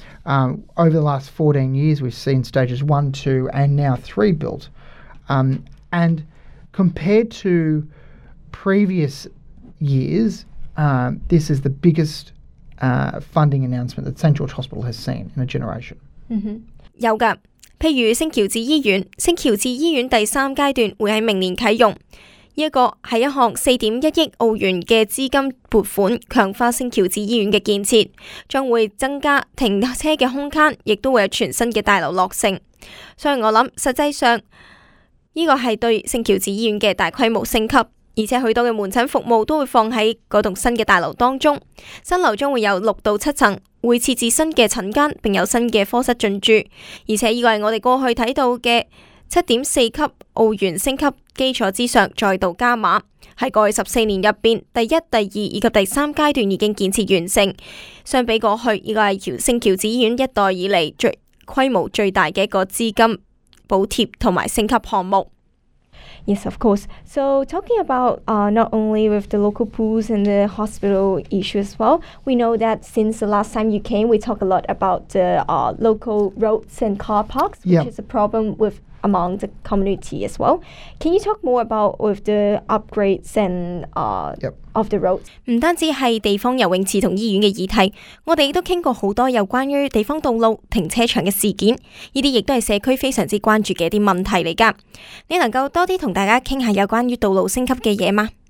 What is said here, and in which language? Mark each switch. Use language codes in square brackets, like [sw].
[en] Over the last 14 years, we've seen stages 1, 2, and now 3 built. And compared to previous years, this is the biggest funding announcement that St. George Hospital has seen in a generation. [zh] Mm-hmm. 有的。譬如圣乔治医院，圣乔治医院第三阶段会在明年启用，这个是一项4.1亿澳元的资金拨款，强化圣乔治医院的建设，将会增加停车的空间，亦都会有全新的大楼落成。所以我想，实际上这个是对圣乔治医院的大规模升级，而且许多的门诊服务都会放在那栋新的大楼当中。新楼将会有6到7层。会设置新的诊间，并有新的科室进驻，而且这个是我们过去看到的7.4级澳元升级基础之上再度加码，在过去14年入面，第一、第二以及第三阶段已经建设完成。相比过去，这个是圣乔治医院一代以来最规模最大的一个资金补贴和升级项目。 [en] Yes, of course. So talking about not only with the local pools and the hospital issue as well, we know that since the last time you came, we talked a lot about the local roads and car parks, which is a problem with among the community as well. Can you talk more about with the upgrades and of the roads? [zh] 不单止是地方游泳池和医院的议题，我们也都谈过很多有关于地方道路停车场的事件，这些也都是社区非常关注的一些问题来的。你能够多些跟大家谈一下有关于道路升级的事吗？